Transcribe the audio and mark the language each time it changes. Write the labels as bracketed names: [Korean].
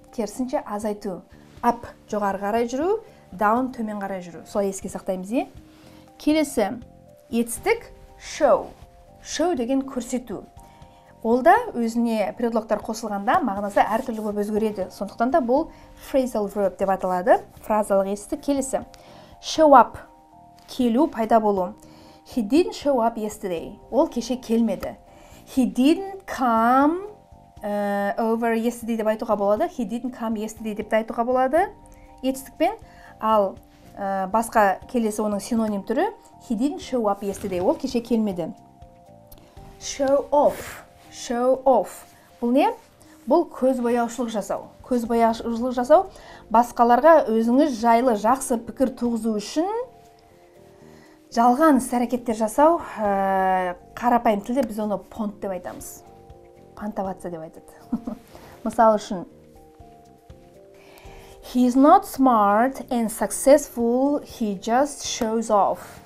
[Kazakh] Керісінше азайту. Up жоғары қарай жүру, down төмен қарай жүру. Солай еске сақтаймыз. Келесі етістік show. Show деген көрсету. Олда өзіне предлогтар қосылғанда мағынасы әртүрлі болып өзгереді. Сондықтан да бұл phrasal verb деп аталады. Фразалық етістік. Келесі show up. Келу, пайда болу. [English] He didn't show up yesterday. [Kazakh] Ол кеше келмеді. [English] He didn't come over yesterday [Kazakh] деп айтуға болады, [English] he didn't come yesterday [Kazakh] деп айтуға болады етістікпен, ал басқа келесі оның синоним түрі, [English] he didn't show up yesterday, [Kazakh] ол кеше келмеді. Show off, бұл не? Бұл көз бояушылық жасау, басқаларға өзіңіз жайлы жақсы пікір туғызу үшін жалған іс-әрекеттер жасау, қарапайым тілде біз оны понт деп айтамыз. Фантавация деп айтады. Мысал үшін, [English] he is not smart and successful, he just shows off.